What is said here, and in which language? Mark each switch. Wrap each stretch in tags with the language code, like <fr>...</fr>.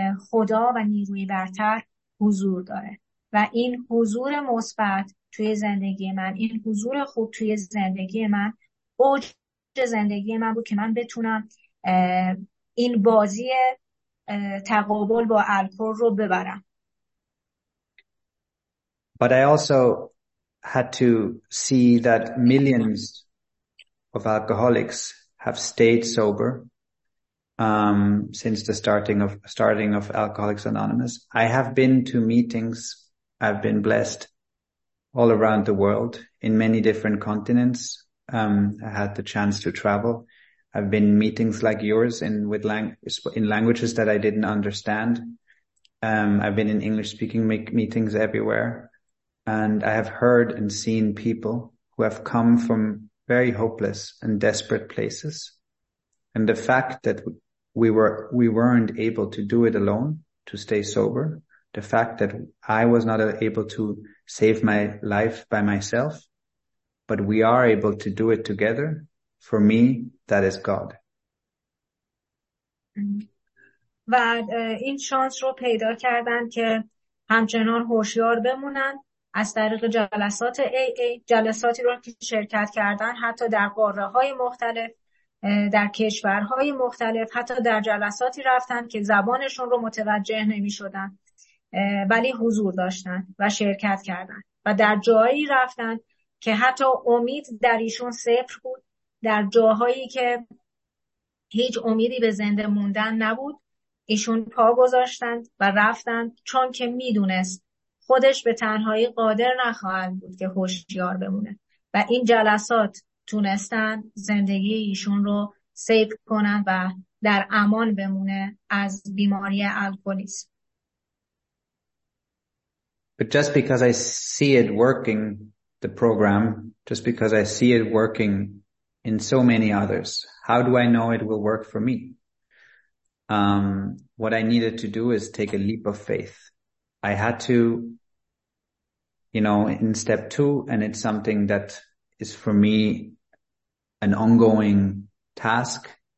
<fa>خدا و نیروی برتر حضور داره و این حضور مثبت توی زندگی من، این حضور خوب توی زندگی من اوج زندگی من بود که من بتونم این بازی تقابل با الکل رو ببرم.</fa> <en>But I also had to see that millions of alcoholics have stayed sober since the starting of Alcoholics Anonymous. I have been to meetings. I've been blessed all around the world in many different continents. I had the chance to travel. I've been meetings like yours in languages that I didn't understand. I've been in English-speaking meetings everywhere. And I have heard and seen people who have come from very hopeless and desperate places. And the fact that we weren't able to do it alone, to stay sober, the fact that I was not able to save my life by myself, but we are able to do it together, for me, that is God.</en> <fa>بعد این شانس رو پیدا کردن که همچنان هوشیار بمونن از طریق جلسات AA، جلساتی رو که شرکت کردن حتی در قاره‌های مختلف، در کشورهای مختلف، حتی در جلساتی رفتن که زبانشون رو متوجه نمی‌شدن ولی حضور داشتن و شرکت کردن و در جایی رفتن که حتی امید در ایشون صفر بود، در جاهایی که هیچ امیدی به زنده موندن نبود ایشون پا گذاشتند و رفتند، چون که میدونست خودش به تنهایی قادر نخواهد بود که هوشیار بمونه و این جلسات تونستن زندگی ایشون رو سیو کنن و در امان بمونه از بیماری الکلیسم.</fa> <en>But just because I see it working, the program, just because I see it working in so many others. How do I know it will work for me? What I needed to do is take a leap of faith. I had to, you know, in step two, and it's something that is for me an ongoing task.</en>